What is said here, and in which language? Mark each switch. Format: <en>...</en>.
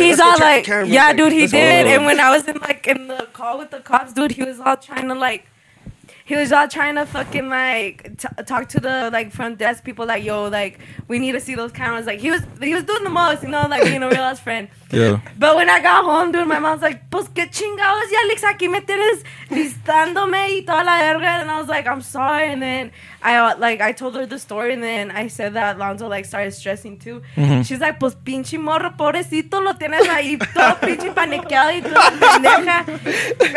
<en>he's all like, cameras, yeah, like, dude, he did. And when I was in, like, in the call with the cops, dude, he was all trying to fucking, like, talk to the, like, front desk people, like, yo, like, we need to see those cameras. Like, he was doing the most, you know, like, being a real-ass friend. Yeah. But when I got home, dude, my mom's like,</en> <es>pues, qué chingados, ya, Alex, aquí me tienes listándome y toda la verga.</es> <en>And I was like, I'm sorry. And then I told her the story, and then I said that Lonzo, like, started stressing, too. Mm-hmm. She's like,</en> <es>pues, pinche morro, pobrecito, lo tienes ahí todo pinche panequeado y todo pendeja.</es>